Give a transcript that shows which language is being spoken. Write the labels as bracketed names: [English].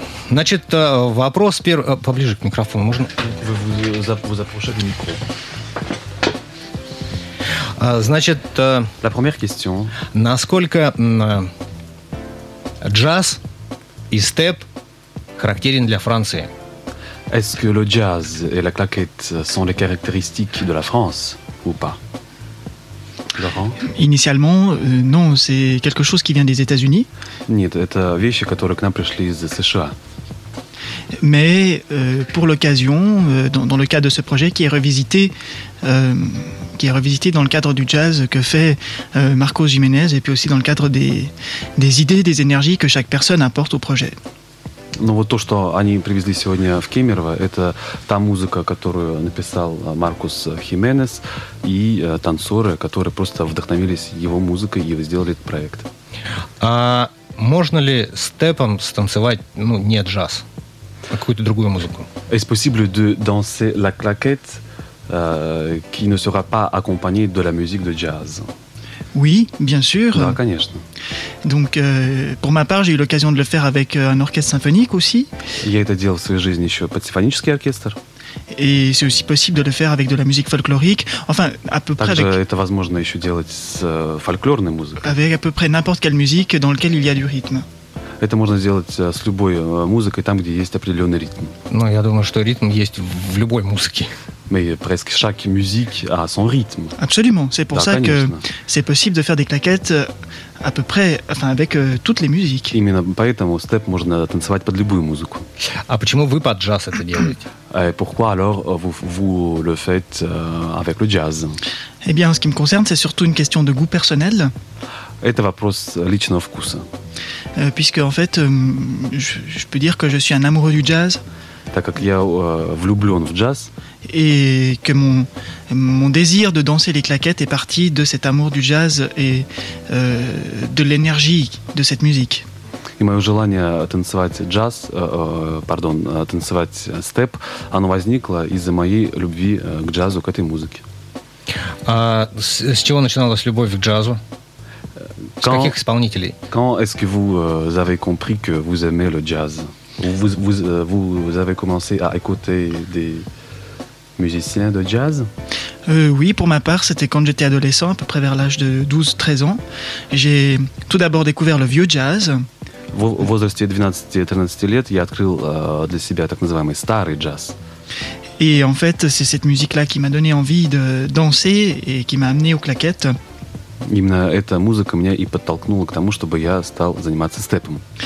[Russian] Значит, вопрос первый... Поближе к микрофону, можно? Запрошать микро. Значит, [French] la première question. [Russian] Насколько джаз и степ характерен для Франции? [French] Est-ce que le jazz et la claquette sont les caractéristiques de la France ou pas? Laurent? Initialement, non, c'est quelque chose qui vient des États-Unis. [Russian] Нет, это вещи, которые к нам пришли из США. [French] Mais pour l'occasion, dans le cadre de ce projet qui est revisité dans le cadre du jazz que fait Marcos Jiménez et puis aussi dans le cadre des idées, des énergies que chaque personne apporte au projet. [Russian] Ну вот то, что они привезли сегодня в Кемерово, это та музыка, которую написал Маркус Хименес и танцоры, которые просто вдохновились его музыкой и сделали этот проект. А можно ли степом станцевать, ну, не джаз, а какую-то другую музыку? [French] Est-ce possible de danser la claquette qui ne sera pas accompagnée de la musique de jazz? Oui, bien sûr. [Russian] Да, конечно. [French] Donc, pour ma part, j'ai eu l'occasion de le faire avec un orchestre symphonique aussi. [Russian] Я это делал в своей жизни еще под симфонический оркестр. [French] Et c'est aussi possible de le faire avec de la musique folklorique. Enfin, à peu [Russian] Также [French] près avec... [Russian] это возможно еще делать с фольклорной музыкой. [French] Avec à peu près n'importe quelle musique dans laquelle il y a du rythme. [Russian] Это можно сделать с любой музыкой, там, где есть определенный ритм. Ну, я думаю, что ритм есть в любой музыке. [French] Mais presque chaque musique a son rythme. Absolument, c'est pour [Russian] да, [French] ça [Russian] конечно. [French] Que c'est possible de faire des claquettes à peu près, enfin avec toutes les musiques. [Russian] Именно поэтому степ можно танцевать под любую музыку. А почему вы под джаз это делаете? [French] Et pourquoi alors vous le faites avec le jazz? Eh bien, en ce qui me concerne, c'est surtout une question de goût personnel. [Russian] Это вопрос личного вкуса. [French] Puisque en fait, je peux dire que je suis un amoureux du jazz. [Russian] Так как я влюблен в джаз. [French] Et que mon désir de danser les claquettes est parti de cet amour du jazz et de l'énergie de cette musique. [Russian] Et мое желание танцевать джаз, pardon, танцевать степ, оно возникло из-за моей любви к джазу, к этой музыке. А с чего начиналась любовь к джазу? [French] Quand, [Russian] с каких исполнителей? [French] Quand est-ce que vous avez compris que vous aimez le jazz? Vous avez commencé à écouter des musiciens de jazz? Oui, pour ma part, c'était quand j'étais adolescent, à peu près vers l'âge de 12-13 ans. J'ai tout d'abord découvert le vieux jazz. [Russian] В возрасте 12-13 лет я открыл для себя так называемый старый джаз. [French] Et en fait, c'est cette musique-là qui m'a donné envie de danser et qui m'a amené aux claquettes. [Russian] Именно эта музыка меня и подтолкнула к тому, чтобы я стал заниматься степом.